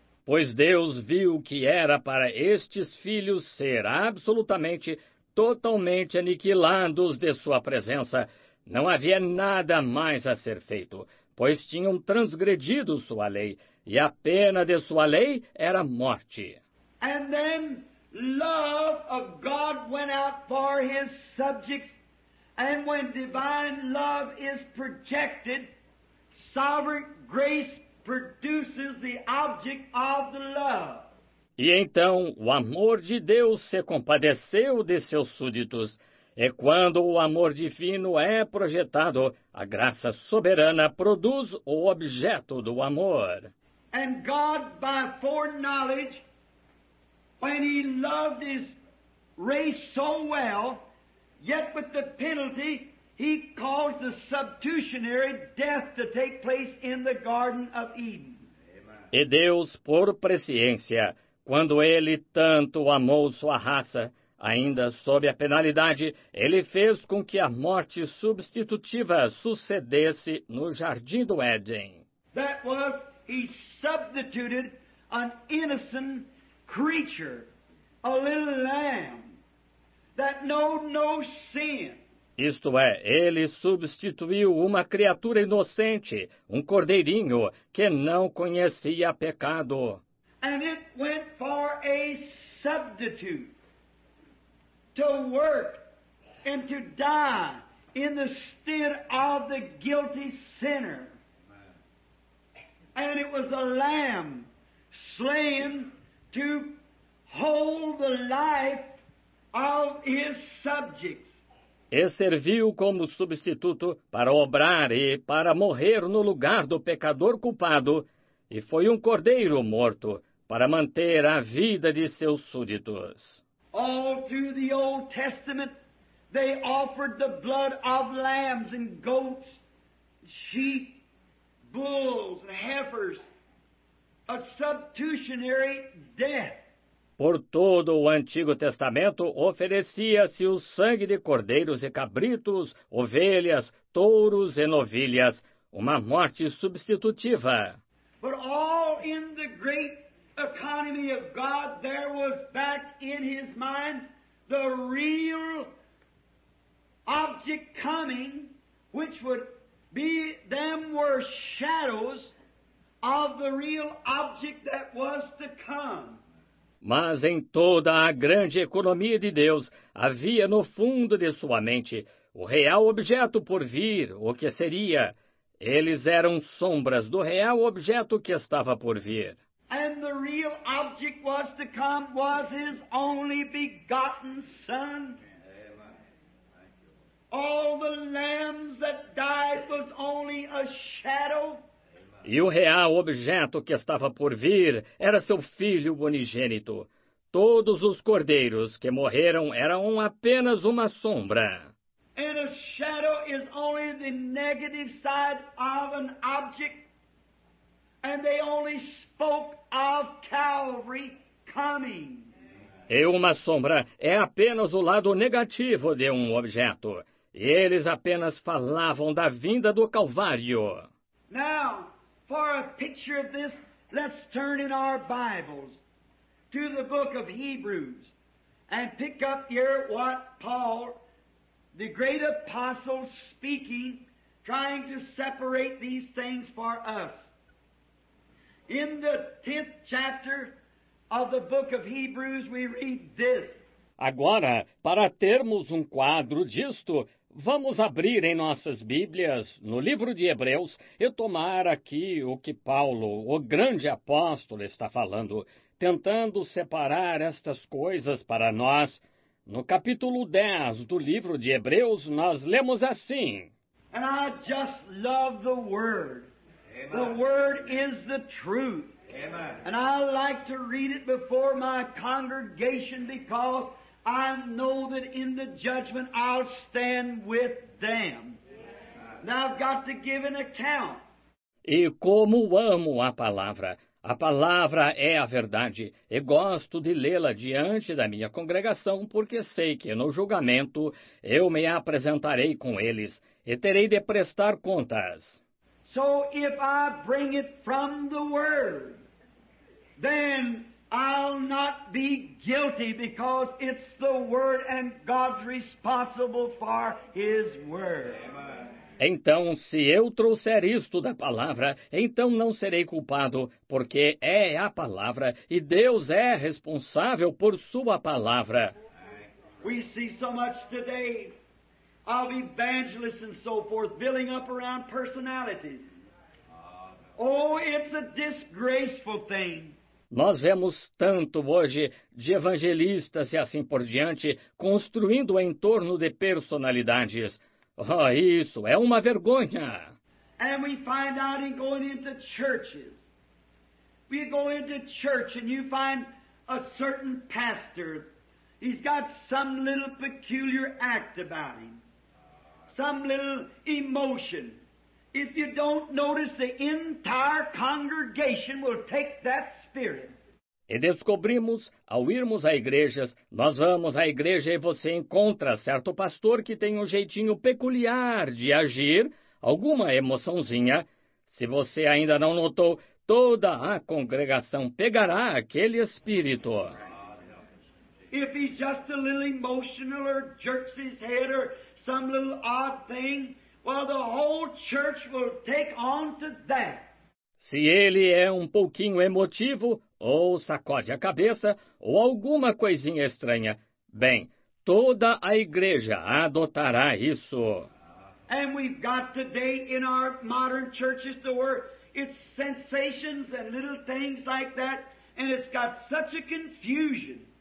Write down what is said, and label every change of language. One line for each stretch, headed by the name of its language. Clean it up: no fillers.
Portuguese: Pois Deus viu que era para estes filhos ser absolutamente, totalmente aniquilados de sua presença. Não havia nada mais a ser feito, pois tinham transgredido sua lei, e a pena de sua lei era morte.
English: And then love of God went out for His subjects, and when divine love is projected, sovereign grace produces the object of the love.
Portuguese: E então o amor de Deus se compadeceu de seus súditos, e quando o amor divino é projetado, a graça soberana produz o objeto do amor.
English: And God, by foreknowledge, when He loved His race so well, yet with the penalty, He caused the substitutionary death to take place in the Garden of Eden.
Portuguese: E Deus, por presciência, quando Ele tanto amou sua raça, ainda sob a penalidade, Ele fez com que a morte substitutiva sucedesse no Jardim do Éden.
English: That was, He substituted an innocent creature, a little lamb, that knew no sin.
Portuguese: Isto é, Ele substituiu uma criatura inocente, um cordeirinho, que não conhecia pecado.
English: And it went for a substitute to work and to die in the stead of the guilty sinner. And it was a lamb slain to hold the life of His subjects.
Portuguese: E serviu como substituto para obrar e para morrer no lugar do pecador culpado, e foi um cordeiro morto para manter a vida de seus súditos.
English: All through the Old Testament, they offered the blood of lambs and goats, sheep, bulls and heifers, a substitutionary death.
Portuguese: Por todo o Antigo Testamento, oferecia-se o sangue de cordeiros e cabritos, ovelhas, touros e novilhas, uma morte substitutiva.
English: But all in the great economy of God, there was back in His mind the real object coming, which would be them were shadows of the real object that was to come.
Portuguese: Mas em toda a grande economia de Deus, havia no fundo de sua mente o real objeto por vir, o que seria. Eles eram sombras do real objeto que estava por vir.
English: And the real object was to come was His only begotten Son. All the lambs that died was only a shadow.
Portuguese: E o real objeto que estava por vir era seu Filho unigênito. Todos os cordeiros que morreram eram apenas uma sombra.
English: And a shadow is only the negative side of an object, and they only spoke of Calvary coming.
Portuguese: E uma sombra é apenas o lado negativo de um objeto, e eles apenas falavam da vinda do Calvário.
English: Now, for a picture of this, let's turn in our Bibles to the book of Hebrews and pick up here what Paul, the great apostle, speaking, trying to separate these things for us. In the 10th chapter of the book of Hebrews, we read this.
Portuguese: Agora, para termos quadro disto, vamos abrir em nossas Bíblias, no livro de Hebreus, e tomar aqui o que Paulo, o grande apóstolo, está falando, tentando separar estas coisas para nós. No capítulo 10 do livro de Hebreus, nós lemos assim.
English: And I just love the Word. Amen. The Word is the truth. Amen. And I like to read it before my congregation because I know that in the judgment I'll stand with them. Now I've got to give an account.
Portuguese: E como amo a palavra. A palavra é a verdade, e gosto de lê-la diante da minha congregação, porque sei que no julgamento eu me apresentarei com eles e terei de prestar contas.
English: So if I bring it from the word, then I'll not be guilty because it's the word and God's responsible for his word.
Portuguese: Então, se eu trouxer isto da palavra, então não serei culpado, porque é a palavra e Deus é responsável por sua palavra.
English: We see so much today of evangelists and so forth building up around personalities. Oh, it's a disgraceful thing.
Portuguese: Nós vemos tanto hoje de evangelistas e assim por diante construindo em torno de personalidades. Oh, isso é uma vergonha.
English: And we find out in going into churches. We go into church and you find a certain pastor. He's got some little peculiar act about him. Some little emotion. If you don't notice, the entire congregation will take that spirit.
Portuguese: E descobrimos, ao irmos a igrejas, nós vamos à igreja e você encontra certo pastor que tem um jeitinho peculiar de agir, alguma emoçãozinha. Se você ainda não notou, toda a congregação pegará aquele espírito.
English: If he's just a little emotional or jerks his head or some little odd thing, well, the whole church will take on to that.
Portuguese: Se ele é um pouquinho emotivo, ou sacode a cabeça, ou alguma coisinha estranha, bem, toda a igreja adotará isso.
English: And we've got today in our modern churches the word, it's sensations and little things like that, and it's got such a confusion.